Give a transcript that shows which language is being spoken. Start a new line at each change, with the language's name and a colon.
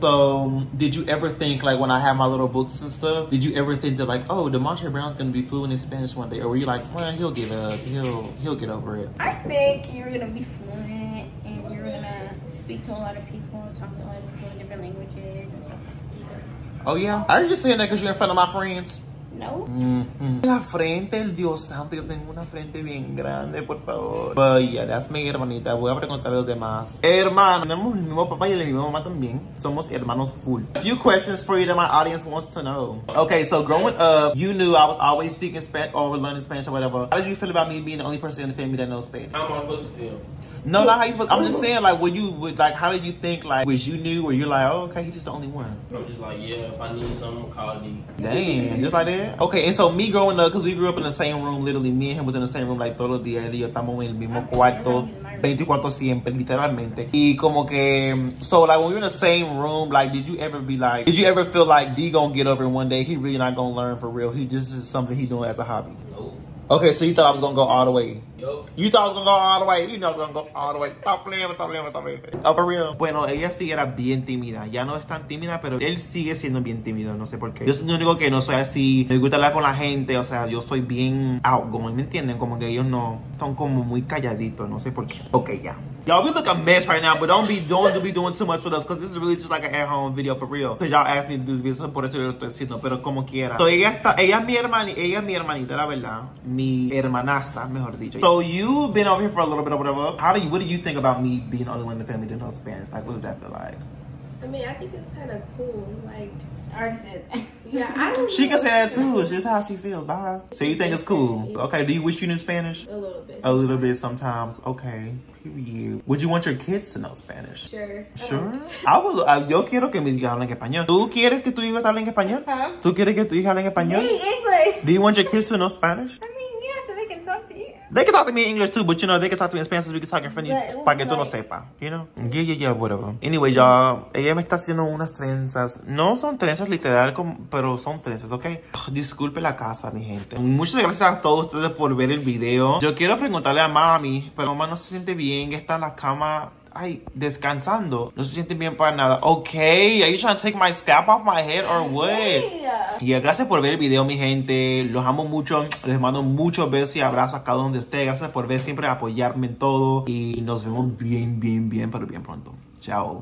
English: So, did you ever think, like, when I have my little books and stuff, did you ever think that, like, oh, DeMontre Brown's gonna be fluent in Spanish one day? Or were you like, well, he'll get up. He'll get over it. I think you're gonna be fluent and you're gonna speak to a lot of people, talk to a lot of people in different languages and stuff like that. Oh, yeah? Are you just saying that because you're in front of my friends? No.
Spanish: Mm-hmm. La frente, el Dios santo, yo tengo una frente bien grande, por favor.
English: But yeah, that's
Spanish: mi hermanita. Voy a preguntar a los demás. Hermano, tenemos el mismo papá y la misma mamá también. Somos hermanos full.
English: A few questions for you that my audience wants to know. Okay, so growing up, you knew I was always speaking Spanish or learning Spanish or whatever. How did you feel about me being the only person in the family that knows Spanish? How am I supposed to feel? No, not how you supposed. I'm just saying, like, when you would, like, how did you think, like, was you new or you're like, oh, okay, he's just the only one? I'm just like, yeah, if I need something, I'll call me. Damn, just like that? Okay, and so me growing up, because we grew up in the same room, literally, me and him was in the same room, like,
Spanish: todos los días, y yo estamos en el mismo cuarto.
English: 24
Spanish: siempre, literalmente. Y como que,
English: so like when we were in the same room, like did you ever feel like D gonna get over it one day? He really not gonna learn for real. This is something he doing as a hobby. Nope. Okay, so you thought I was gonna go all the way. Yup. You thought I was gonna go all the way. You know I was gonna go all the way. Stop playing. Oh, for real.
Spanish: Bueno, ella sí era bien tímida. Ya no es tan tímida, pero él sigue siendo bien tímido. No sé por qué. Yo soy el único que no soy así. Me gusta hablar con la gente. O sea, yo soy bien outgoing. ¿Me entienden? Como que ellos no. Son como muy calladitos. No sé por qué. Okay, ya.
English: Y'all, we look a mess right now, but don't be doing too much with us, because this is really just like an at-home video, for real. Because y'all asked me to do this video, so
Spanish: por eso yo lo estoy haciendo, pero como quiera. So, ella es mi hermanita, la verdad. Mi hermanastra, mejor dicho.
English: So, you've been over here for a little bit or whatever. What do you think about me being the only one in the family to know Spanish? Like, what does that feel like? I mean, I think it's kind of cool. Like, I already said that. Yeah, I don't she can say that too. It's just how she feels. Bye. So you think it's cool? Okay, do you wish you knew Spanish? A little bit sometimes. Okay, period. Would you want your kids to know Spanish? Sure.
Spanish: Sure? Yo quiero que mis hijas hablen español. ¿Tú quieres que tu hija hable en español? Huh? ¿Tú quieres que tu hija hable en español?
English: Me, English. Do you want your kids to know Spanish? I mean, yeah, so they can talk to you. They can talk to me in English too, but you know, they can talk to me in Spanish, so we can talk in French,
Spanish: para que tú no sepa,
English: you know? Yeah, whatever. Anyway, y'all,
Spanish: ella me está haciendo unas trenzas. No son trenzas literal, pero son trenzas, ¿ok? Disculpe la casa, mi gente. Muchas gracias a todos ustedes por ver el video. Yo quiero preguntarle a mami, pero mamá no se siente bien, está en la cama, ay, descansando. No se siente bien para nada.
English: Ok, are you trying to take my scalp off my head or what?
Spanish: Yeah, gracias por ver el video, mi gente. Los amo mucho. Les mando muchos besos y abrazos a cada uno de ustedes. Gracias por ver siempre, apoyarme en todo. Y nos vemos bien, bien, bien, pero bien pronto. Chao.